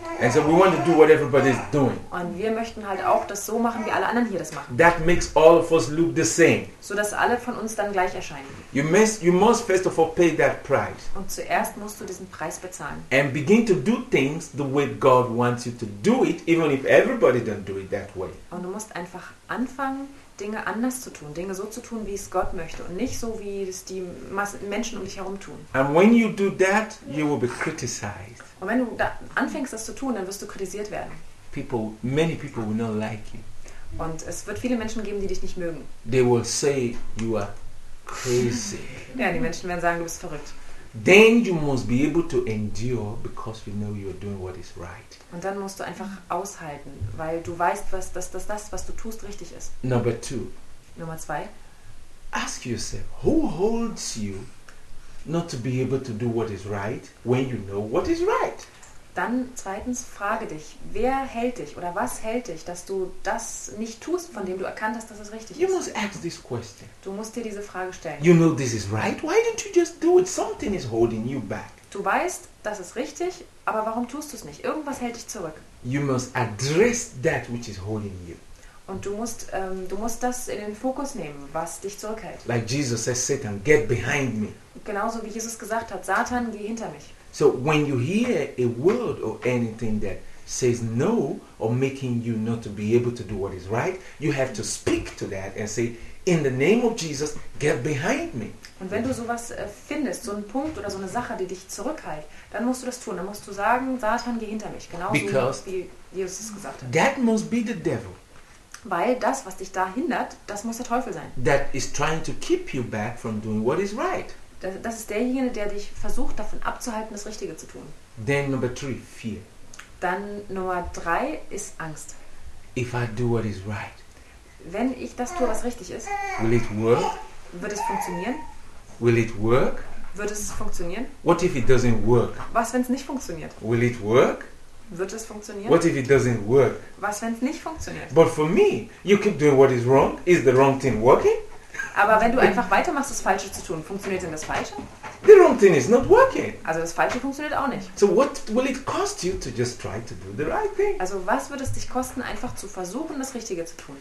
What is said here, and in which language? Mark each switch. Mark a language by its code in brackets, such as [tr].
[en] And so we want to do what everybody is doing. [de] Und wir möchten halt auch das so machen, wie alle anderen hier das machen. [en] That makes all of us look the same. [de] So dass alle von uns dann gleich erscheinen. [en] You must first of all pay that price. [de] Und zuerst musst du diesen Preis bezahlen. [en] And begin to do things the way God wants you to do it, even if everybody don't do it that way. [de] Und du musst einfach anfangen, Dinge anders zu tun, Dinge so zu tun, wie es Gott möchte, und nicht so, wie es die Menschen um dich herum tun. [en] And when you do that, you will be criticized. [de] Und wenn du da anfängst, das zu tun, dann wirst du kritisiert werden. [en] Many people will not like you. [de] Und es wird viele Menschen geben, die dich nicht mögen. [en] They will say you are crazy. [de] Ja, die Menschen werden sagen, du bist verrückt. [en] Then you must be able to endure because you know you are doing what is right. [de] Und dann musst du einfach aushalten, weil du weißt, dass das, was du tust, richtig ist. [en] Number two. [de] Nummer zwei. [en] Ask yourself, who holds you? Not to be able to do what is right when you know what is right. [de] Dann zweitens frage dich, wer hält dich oder was hält dich, dass du das nicht tust, von dem du erkannt hast, dass es richtig [en] you [de] ist. [en] You must ask this question. [de] Du musst dir diese Frage stellen. [en] You know this is right. Why didn't you just do it? Something is holding you back. [de] Du weißt, das ist richtig, aber warum tust du es nicht? Irgendwas hält dich zurück. [en] You must address that which is holding you. [de] Und du musst das in den Fokus nehmen, was dich zurückhält. [en] Like Jesus says, Satan, get behind me. [de] Genauso wie Jesus gesagt hat, Satan, geh hinter mich. [en] So when you hear a word or anything that says no or making you not to be able to do what is right, you have to speak to that and say, in the name of Jesus, get behind me. [de] Und wenn du sowas findest, so einen Punkt oder so eine Sache, die dich zurückhält, dann musst du das tun. Dann musst du sagen, Satan, geh hinter mich. Genauso [en] Because [de] wie Jesus es gesagt hat. [en] That must be the devil. [de] Weil das, was dich da hindert, das muss der Teufel sein. [en] That is trying to keep you back from doing what is right. [de] das ist derjenige, der dich versucht, davon abzuhalten, das Richtige zu tun. [en] Then number three, fear. [de] Dann Nummer drei ist Angst. [en] If I do what is right. [de] Wenn ich das tue, was richtig ist. [en] Will it work? [de] Wird es funktionieren? [en] Will it work? [de] Wird es funktionieren? [en] What if it doesn't work? [de] Was, wenn es nicht funktioniert? [en] Will it work? [de] Wird es funktionieren? [en] What if it doesn't work? [de] Was, wenn es nicht funktioniert? [en] But for me, you keep doing what is wrong. Is the wrong thing working? [de] Aber wenn du einfach weitermachst, das Falsche zu tun, funktioniert denn das Falsche? [en] The wrong thing is not working. [de] Also das Falsche funktioniert auch nicht. [en] So what will it cost you to just try to do the right thing? [de] Also was wird es dich kosten, einfach zu versuchen, das Richtige zu tun?